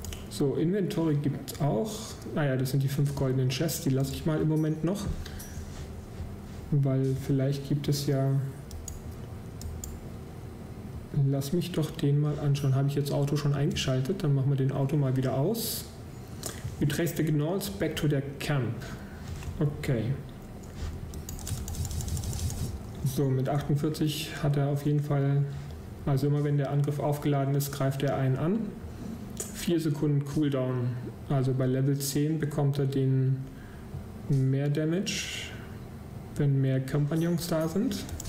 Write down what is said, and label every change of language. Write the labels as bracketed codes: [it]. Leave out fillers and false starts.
[de] So, Inventory gibt es auch. Naja, das sind die 5 goldenen Chests, die lasse ich mal im Moment noch. Weil vielleicht gibt es ja. Lass mich doch den mal anschauen. Habe ich jetzt Auto schon eingeschaltet? Dann machen wir den Auto mal wieder aus. [en] You trace the Gnolls back to their camp. Okay. [de] So, mit 48 hat er auf jeden Fall, also immer wenn der Angriff aufgeladen ist, greift er einen an. 4 Sekunden Cooldown. Also bei Level 10 bekommt er den mehr Damage, wenn mehr Kompagnons da sind.